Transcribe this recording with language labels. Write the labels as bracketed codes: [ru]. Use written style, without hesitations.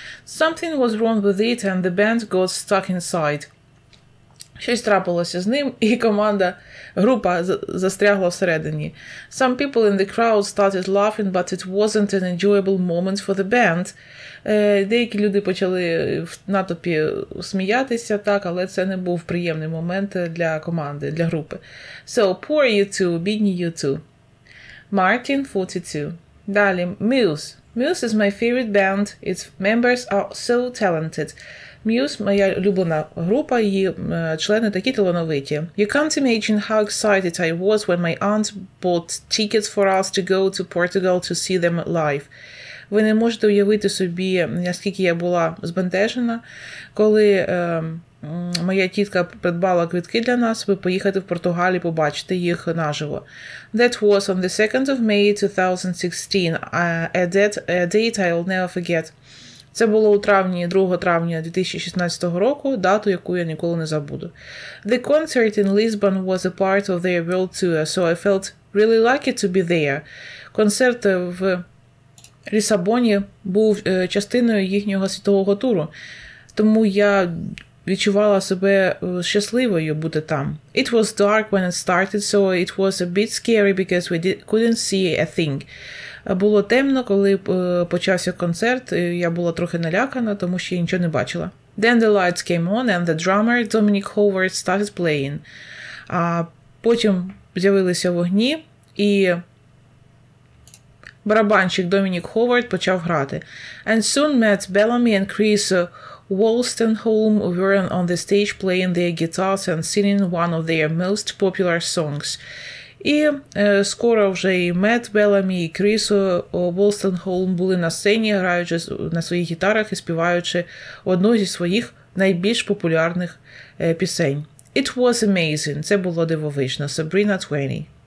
[en] Something was wrong with it and the band got stuck inside. [uk] Щось трапилося з ним, і група застрягла всередині. [en] Some people in the crowd started laughing, but it wasn't an enjoyable moment for the band. [uk] Деякі люди почали в натовпі сміятися, так, але це не був приємний момент для команди, для групи. [en] So, poor you two, [uk] бідні [en] you two. Martin, 42. [uk] Далі, [en] Muse. Muse is my favorite band. Its members are so talented. [uk] Muse – моя улюблена група, її члени такі талановиті. [en] You can't imagine how excited I was when my aunt bought tickets for us to go to Portugal to see them live. [uk] Ви не можете уявити собі, наскільки я була збентежена, коли моя тітка придбала квитки для нас, щоб поїхати в Португалію побачити їх наживо. [en] That was on the 2nd of May 2016, a date I'll never forget. [uk] Це було у травні, 2 травня 2016 року, дату, яку я ніколи не забуду. [en] The concert in Lisbon was a part of their world tour, so I felt really lucky to be there. [uk] Концерт в Лісабоні був частиною їхнього світового туру, тому я відчувала себе щасливою бути там. [en] It was dark when it started, so it was a bit scary because we couldn't see a thing. [uk] Було темно, коли почався концерт, я була трохи налякана, тому що я нічого не бачила. [en] Then the lights came on and the drummer Dominic Howard started playing. [uk] А потім з'явилися вогні і барабанщик Dominic Howard почав грати. [en] And soon Matt Bellamy and Chris Wolstenholme were on the stage playing their guitars and singing one of their most popular songs. [uk] І скоро вже і Мет Беламі, і Кріс Волстенхолм були на сцені, граючи на своїх гітарах і співаючи одну зі своїх найбільш популярних пісень. [en] It was amazing. [uk] Це було дивовижно. [en] Sabrina 20.